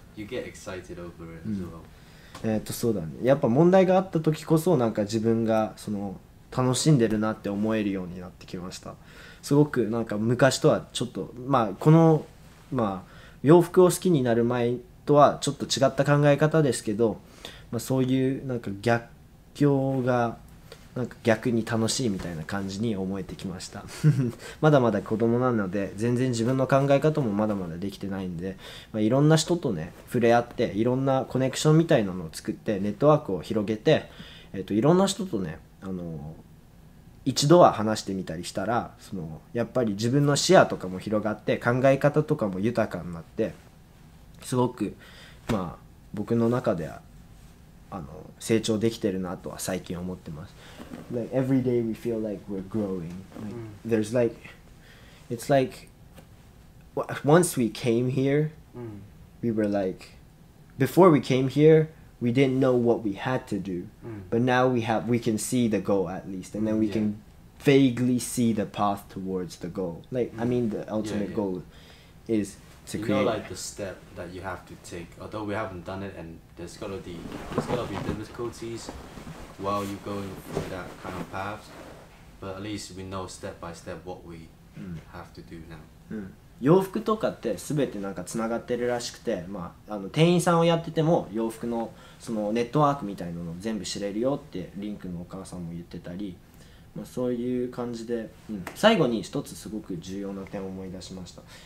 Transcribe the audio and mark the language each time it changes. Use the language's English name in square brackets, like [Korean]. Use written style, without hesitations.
[English] You get excited over it as well.、うん、 [Japanese] そうだね。やっぱ問題があった時こそ、なんか自分がその楽しんでるなって思えるようになってきました。すごくなんか昔とはちょっと、まあ、この、まあ、洋服を好きになる前とはちょっと違った考え方ですけど、まあ、そういうなんか逆境がなんか逆に楽しいみたいな感じに思えてきました。まだまだ子供なので全然自分の考え方もまだまだできてないんで、まあ、いろんな人とね触れ合っていろんなコネクションみたいなのを作ってネットワークを広げて、いろんな人とね一度は話してみたりしたらそのやっぱり自分の視野とかも広がって考え方とかも豊かになってすごく、まあ、僕の中では成長できてるなとは最近思ってます。 [English] Like every day we feel like we're growing, like, there's like it's like once we came here we were like before we came hereWe didn't know what we had to do, but now we can see the goal at least, and then we can vaguely see the path towards the goal. Like, I mean, the ultimate goal is to you create. You know, like the step that you have to take, although we haven't done it, and there's gotta be difficulties while you're going through that kind of path, but at least we know step by step what we have to do now. Mm. [Japanese] 洋服とかって全てなんかつながってるらしくて、まあ、店員さんをやってても洋服 そのネットワークみたいなのを全部知れるよってリンクのお母さんも言ってたり、まあ、そういう感じで、うん、最後に一つすごく重要な点を思い出しました。